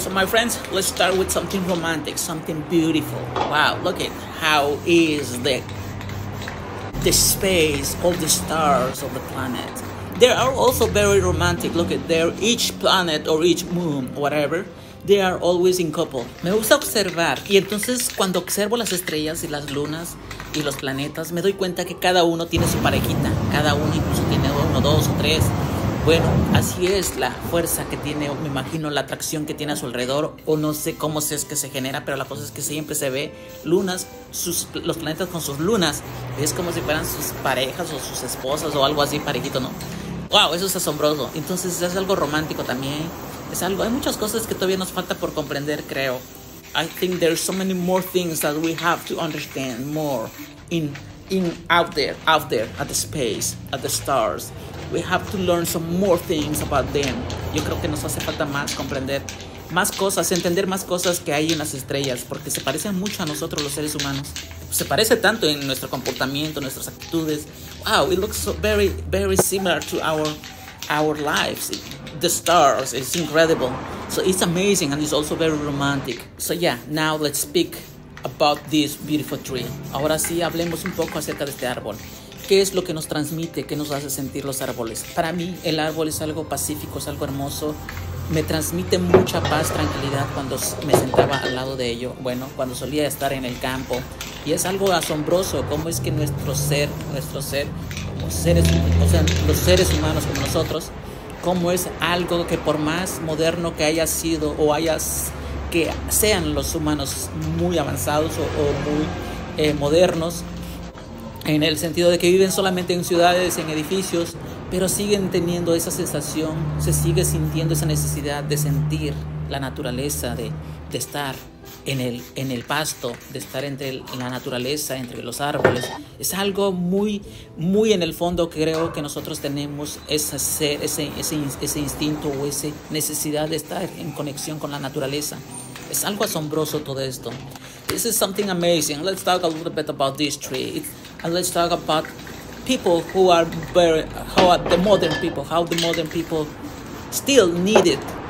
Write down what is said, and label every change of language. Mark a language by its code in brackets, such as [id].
[en] So my friends, let's start with something romantic, something beautiful. Wow, look at how is the space, all the stars of the planet. They are also very romantic. Look at there, each planet or each moon, whatever, they are always in couple. [es] Me gusta observar. Y entonces cuando observo las estrellas y las lunas y los planetas, me doy cuenta que cada uno tiene su parejita. Cada uno incluso tiene uno, dos o tres. Bueno, así es la fuerza que tiene, me imagino, la atracción que tiene a su alrededor, o no sé cómo es que se genera, pero la cosa es que siempre se ve lunas, sus, los planetas con sus lunas, es como si fueran sus parejas o sus esposas o algo así, parejito, ¿no? ¡Wow! Eso es asombroso. Entonces es algo romántico también, es algo, hay muchas cosas que todavía nos falta por comprender, creo. [en] I think there's so many more things that we have to understand more in out there, at the space, at the stars. We have to learn some more things about them. [es] Yo creo que nos hace falta más comprender más cosas, entender más cosas que hay en las estrellas, porque se parecen mucho a nosotros los seres humanos. Se parece tanto en nuestro comportamiento, nuestras actitudes. [en] Wow, it looks so very, very similar to our lives. The stars, it's incredible. So it's amazing and it's also very romantic. So yeah, now let's speak about this beautiful tree. [es] Ahora sí, hablemos un poco acerca de este árbol. ¿Qué es lo que nos transmite? ¿Qué nos hace sentir los árboles? Para mí, el árbol es algo pacífico, es algo hermoso. Me transmite mucha paz, tranquilidad cuando me sentaba al lado de ello. Bueno, cuando solía estar en el campo. Y es algo asombroso cómo es que nuestro ser, como seres, o sea, los seres humanos como nosotros, cómo es algo que por más moderno que haya sido o hayas, que sean los humanos muy avanzados o muy modernos, en el sentido de que viven solamente en ciudades, en edificios, pero siguen teniendo esa sensación, se sigue sintiendo esa necesidad de sentir la naturaleza, de estar en el pasto, de estar entre la naturaleza, entre los árboles. Es algo muy, muy en el fondo, creo que nosotros tenemos ese instinto o esa necesidad de estar en conexión con la naturaleza. Es algo asombroso todo esto. [en] This is something amazing. Let's talk a little bit about this tree. And let's talk about people who are very, how are the modern people, how the modern people still need it.